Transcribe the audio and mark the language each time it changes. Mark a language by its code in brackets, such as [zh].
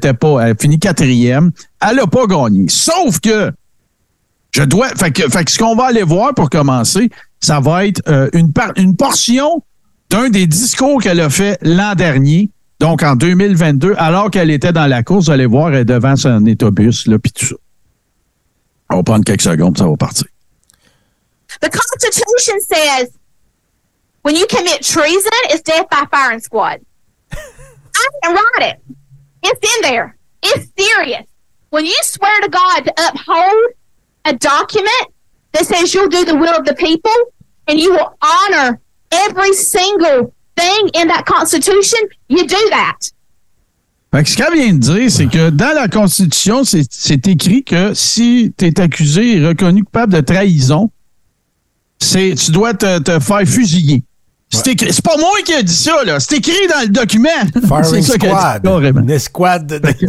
[fr] Elle finit quatrième. Elle n'a pas gagné. Sauf que ce qu'on va aller voir pour commencer, ça va être une portion d'un des discours qu'elle a fait l'an dernier. Donc, en 2022, alors qu'elle était dans la course, vous allez voir, elle est devant son autobus, là, puis tout ça. On va prendre quelques secondes, ça va partir. [en] The Constitution says, when you commit treason, it's death by firing squad. I can write it. It's in there. It's serious. When you swear to God to uphold a document that says you'll do the will of the people, and you will honor every single thing in that Constitution, you do that. [fr] Fait que ce qu'elle vient de dire, c'est que dans la Constitution, c'est écrit que si tu es accusé et reconnu coupable de trahison, tu dois te faire fusiller. Ouais. C'est pas moi qui ai dit ça, là. C'est écrit dans le document. [en] Firing [fr] c'est ça squad. Dit, carrément. Une escouade de